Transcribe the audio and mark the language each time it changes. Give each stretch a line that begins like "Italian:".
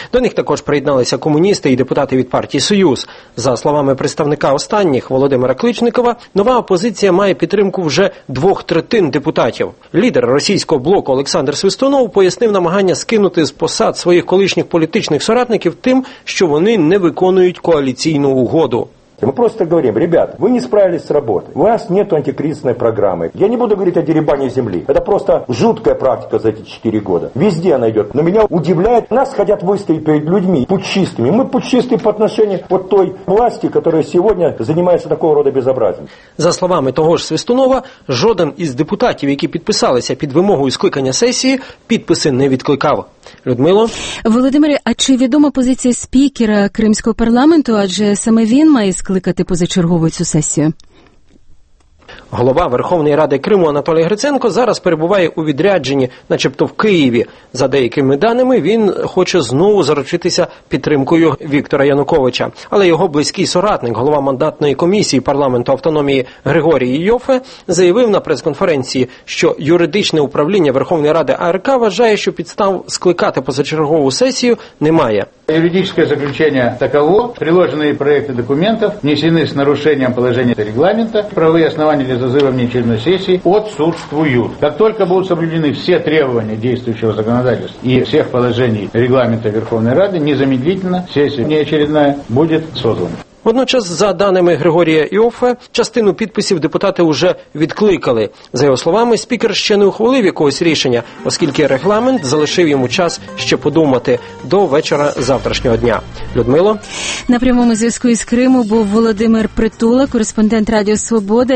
Ukrainian: До них також приєдналися комуністи і депутати від партії «Союз». За словами представника останніх Володимира Кличникова, нова опозиція має підтримку вже 2/3 депутатів. Лідер російського блоку Олександр Свистунов пояснив намагання скинути з посад своїх колишніх політичних соратників тим, що вони не виконують коаліційну угоду.
Russian: Мы просто говорим, ребят, вы не справились с работой, у вас нет антикризисной программы. Я не буду говорить о дерибане земли, это просто жуткая практика за эти 4 года. Везде она идет, но меня удивляет, нас хотят выставить перед людьми путчистыми. Мы путчисты по отношению вот той власти, которая сегодня занимается такого рода безобразием.
Ukrainian: За словами того ж Свистунова, жоден із депутатів, які підписалися під вимогою скликання сесії, підписи не відкликав. Людмило. Володимире, а чи відома позиція спікера кримського парламенту, адже саме він має скликати позачергову цю сесію? Голова Верховної Ради Криму Анатолій Гриценко зараз перебуває у відрядженні, начебто в Києві. За деякими даними, він хоче знову заручитися підтримкою Віктора Януковича. Але його близький соратник, голова мандатної комісії парламенту автономії Григорій Йофе, заявив на прес-конференції, що юридичне управління Верховної Ради АРК вважає, що підстав скликати позачергову сесію немає.
Russian: Юридическое заключение таково. Приложенные проекты документов внесены с нарушением положения регламента. Правовые основания для зазыва внеочередной сессии отсутствуют. Как только будут соблюдены все требования действующего законодательства и всех положений регламента Верховной Рады, незамедлительно сессия внеочередная будет созвана.
Ukrainian: Водночас, за даними Григорія Іоффе, частину підписів депутати вже відкликали. За його словами, спікер ще не ухвалив якогось рішення, оскільки регламент залишив йому час ще подумати до вечора завтрашнього дня. Людмило? На прямому зв'язку із Криму був Володимир Притула, кореспондент Радіо Свобода.